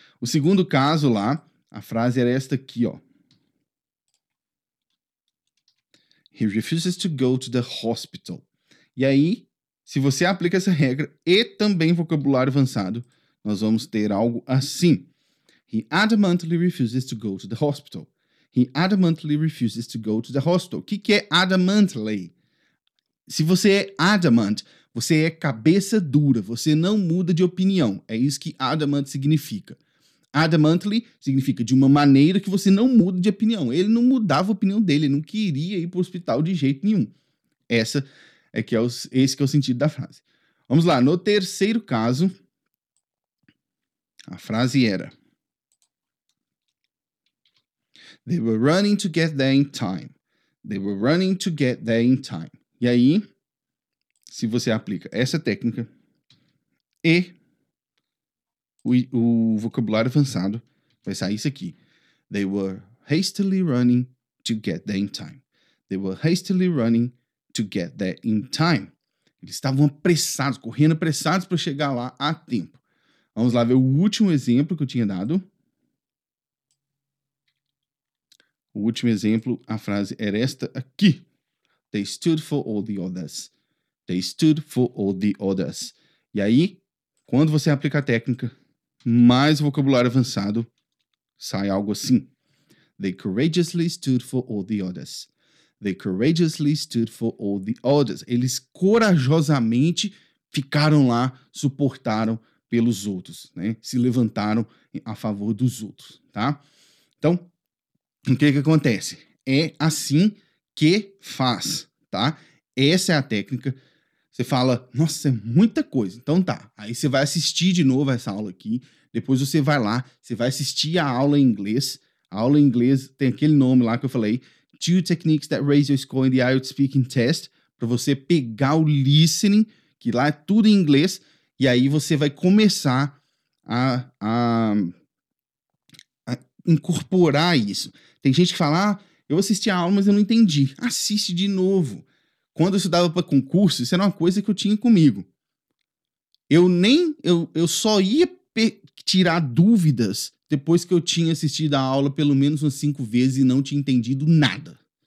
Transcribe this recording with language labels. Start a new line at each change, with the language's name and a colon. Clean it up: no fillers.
Portuguese: O segundo caso lá, a frase era esta aqui, ó.
English: He refuses to go to the hospital.
Portuguese: E aí, se você aplica essa regra e também vocabulário avançado, nós vamos ter algo assim.
English: He adamantly refuses to go to the hospital. He adamantly refuses to go to the hospital.
Portuguese: O que, que é
English: adamantly?
Portuguese: Se você é adamant, você é cabeça dura, você não muda de opinião. É isso que adamant significa. Adamantly significa de uma maneira que você não muda de opinião. Ele não mudava a opinião dele, ele não queria ir para o hospital de jeito nenhum. Essa é que é o, esse que é o sentido da frase. Vamos lá, no terceiro caso, a frase era...
English: They were running to get there in time. They were running to get there in time.
Portuguese: E aí, se você aplica essa técnica e o vocabulário avançado, vai sair isso aqui.
English: They were hastily running to get there in time. They were hastily running to get there in time.
Portuguese: Eles estavam apressados, correndo apressados para chegar lá a tempo. Vamos lá ver o último exemplo que eu tinha dado. O último exemplo, a frase era esta aqui.
English: They stood for all the others. They stood for all the others.
Portuguese: E aí, quando você aplica a técnica, mais vocabulário avançado, sai algo assim.
English: They courageously stood for all the others. They courageously stood for all the others.
Portuguese: Eles corajosamente ficaram lá, suportaram pelos outros, né? Se levantaram a favor dos outros, tá? Então, o que que acontece? É assim que faz, tá? Essa é a técnica. Você fala, nossa, é muita coisa. Então tá, aí você vai assistir de novo essa aula aqui. Depois você vai lá, você vai assistir a aula em inglês. A aula em inglês tem aquele nome lá que eu falei.
English: Two techniques that raise your score in the IELTS speaking test.
Portuguese: Para você pegar o listening, que lá é tudo em inglês. E aí você vai começar a incorporar isso. Tem gente que fala, ah, eu assisti a aula, mas eu não entendi. Assiste de novo. Quando eu estudava para concurso, isso era uma coisa que eu tinha comigo. Eu só ia tirar dúvidas depois que eu tinha assistido a aula pelo menos umas 5 vezes e não tinha entendido nada.